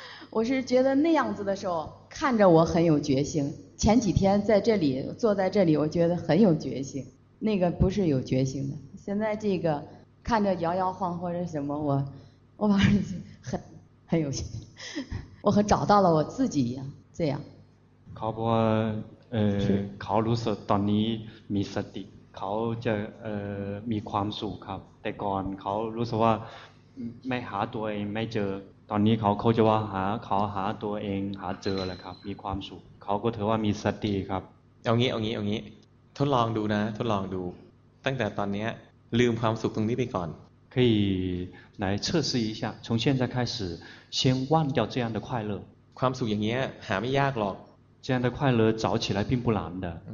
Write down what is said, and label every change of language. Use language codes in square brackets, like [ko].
[zh] 我是觉得那样子的时候，看着我很有决心。前几天在这里坐在这里，我觉得很有决心。那个不是有决心的，现在这个看着摇摇晃或者什么，我反而很有心，我和找到了我自己一样，这样。 [th] เขาบอกว่าเขารู้สึกตอนนี้มีสติเขาจะมีความสุขครับแต่ก่อนเขารู้สึกว่าไม่หาตัวเองไม่เจอตอนนี้เขาจะว่าเขาหาตัวเองหาเจอแหละครับมีความสุขเขาก็ถือว่ามีสติครับ เอางี้ทดลองดูนะทดลองดูตั้งแต่ตอนนี้ลืมความสุขตรงนี้ไปก่อน [zh] 可以来测试一下从现在开始先忘掉这样的快乐 [th] ความสุขอย่างเงี้ยหาไม่ยากหรอก เจ้าได้ความเลิศ [zh] 找起来并不难的